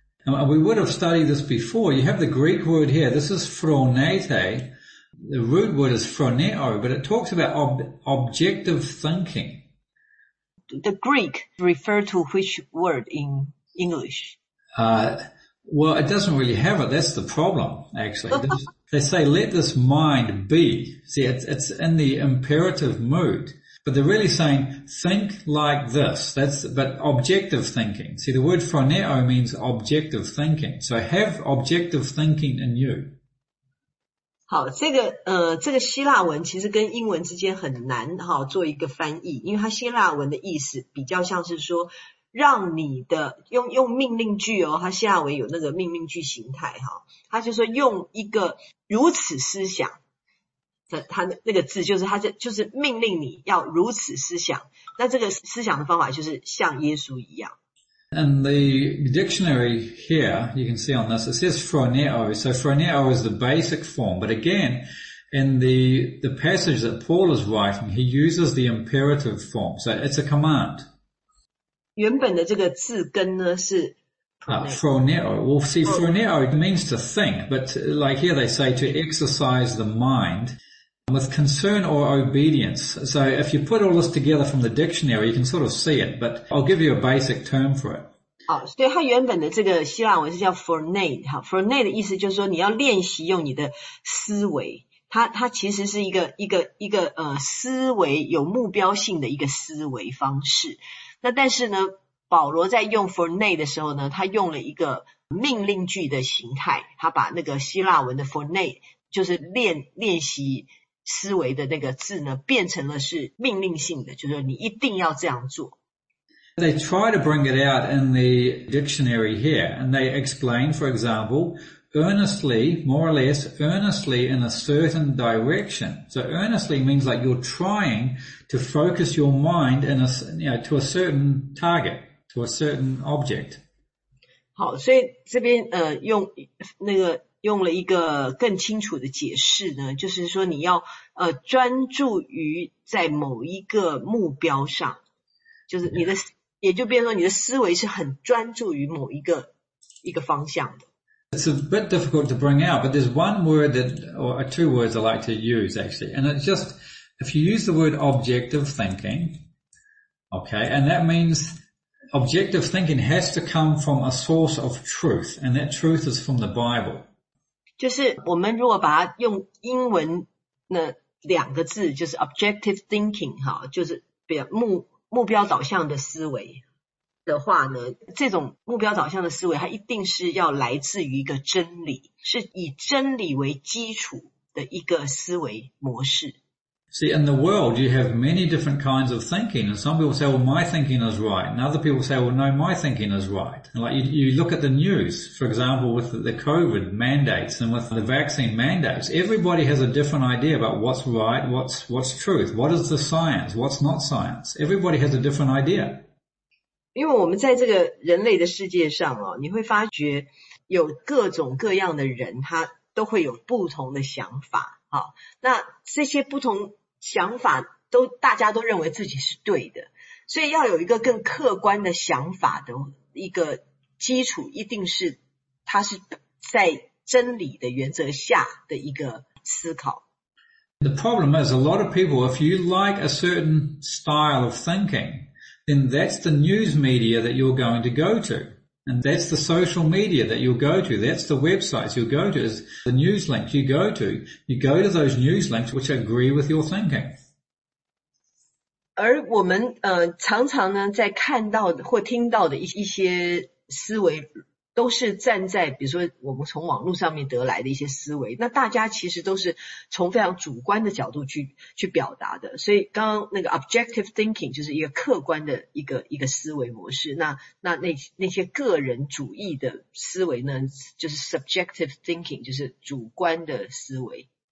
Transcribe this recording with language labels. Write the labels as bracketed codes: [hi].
[en] Now, we would have studied this before. You have the Greek word here. This is phronete. The root word is phroneo, but it talks about objective thinking. The Greek refer to which word in English? Well, it doesn't really have it. That's the problem, actually. They say, let this mind be. See, it's in the imperative mood. But they're really saying, think like this. But objective thinking. See, the word phroneo means objective thinking. So have objective thinking in you. [zh] 好，这个希腊文其实跟英文之间很难哈做一个翻译，因为它希腊文的意思比较像是说，让你的用命令句哦，它希腊文有那个命令句形态哈，它就说用一个如此思想，它那个字就是它就是命令你要如此思想，那这个思想的方法就是像耶稣一样。 [en] And the dictionary here, you can see on this, it says phroneo. So phroneo is the basic form. But again, in the passage that Paul is writing, he uses the imperative form. So it's a command. [zh] 原本的这个字根呢是 [el] phroneo. [en] Well, see, phroneo means to think, but like here they say to exercise the mind with concern or obedience. So if you put all this together from the dictionary, you can sort of see it, but I'll give you a basic term for it. [zh] 好，所以它原本的这个希腊文是叫 phronete。好 ，phronete 的意思就是说你要练习用你的思维。它其实是一个思维有目标性的一个思维方式。那但是呢，保罗在用 phronete 的时候呢，他用了一个命令句的形态，他把那个希腊文的 phronete 就是练习。思维的那个字呢，变成了是命令性的，就是说你一定要这样做。 [en] They try to bring it out in the dictionary here, and they explain, for example, earnestly, more or less, earnestly in a certain direction. So earnestly means like you're trying to focus your mind in a, you know, to a certain target, to a certain object. [zh] 好，所以这边用那个。用了一个更清楚的解释呢，就是说你要专注于在某一个目标上，就是你的、yeah. 也就变成说你的思维是很专注于某一个方向的。 [en] It's a bit difficult to bring out, but there's one word that, or two words I like to use actually, and it's just, if you use the word objective thinking, okay, and that means objective thinking has to come from a source of truth, and that truth is from the Bible. [zh] 就是我们如果把它用英文那两个字，就是 objective thinking， 哈，就是目标导向的思维的话呢，这种目标导向的思维，它一定是要来自于一个真理，是以真理为基础的一个思维模式。 [en] See, in the world, you have many different kinds of thinking, and some people say, well, my thinking is right, and other people say, well, no, my thinking is right. And like, you look at the news, for example, with the COVID mandates and with the vaccine mandates, everybody has a different idea about what's right, what's truth, what is the science, what's not science. Everybody has a different idea. [zh] 因为我们在这个人类的世界上，你会发觉有各种各样的人，他都会有不同的想法。好，那这些不同想法都大家都认为自己是对的，所以要有一个更客观的想法的一个基础，一定是它是在真理的原则下的一个思考。 [en] The problem is a lot of people, if you like a certain style of thinking, then that's the news media that you're going to go to, and that's the social media that you'll go to, that's the websites you'll go to, is the news links you go to. You go to those news links which agree with your thinking. [zh] 而我们常常呢在看到或听到的一些思维都是站在比如说我们从网络上面得来的一些思维，那大家其实都是从非常主观的角度去表达的，所以刚刚那个 objective thinking 就是一个客观的一个思维模式，那些个人主义的思维呢就是 subjective thinking， 就是主观的思维。